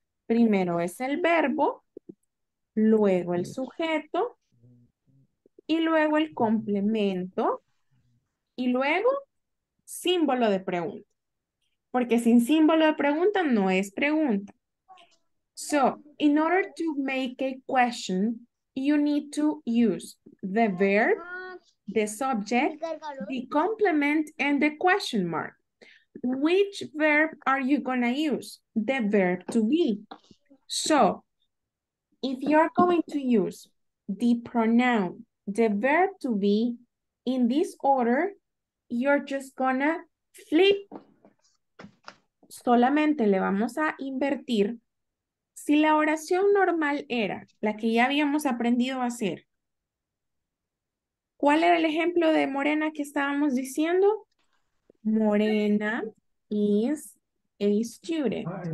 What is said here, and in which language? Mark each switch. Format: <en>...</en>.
<es>Primero es el verbo, luego el sujeto y luego el complemento. Y luego, símbolo de pregunta. Porque sin símbolo de pregunta no es pregunta.</es> <en>So, in order to make a question, you need to use the verb, the subject, the complement, and the question mark. Which verb are you going to use? The verb to be. So, if you're going to use the pronoun, the verb to be, in this order, you're just gonna flip.</en> <es>Solamente le vamos a invertir. Si la oración normal era la que ya habíamos aprendido a hacer, ¿cuál era el ejemplo de Morena que estábamos diciendo?</es> <en>Morena is a student.</en>